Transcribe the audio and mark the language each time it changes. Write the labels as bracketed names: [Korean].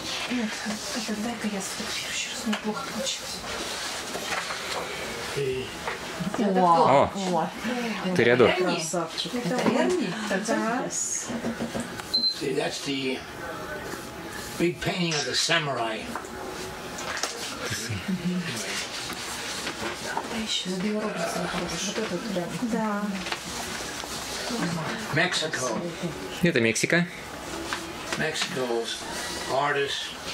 [Russian] Нет, это дай-ка я сфотографирую еще раз, у меня плохо получилось. Вау! Ты рядом. Это Эрни? Это Эрни? Это раз. [English] See, that's the big painting of the samurai. [Russian] Да, еще забил робота, вот этот, да. Да. Мексико. Это Мексика. [English] Mexico's artist.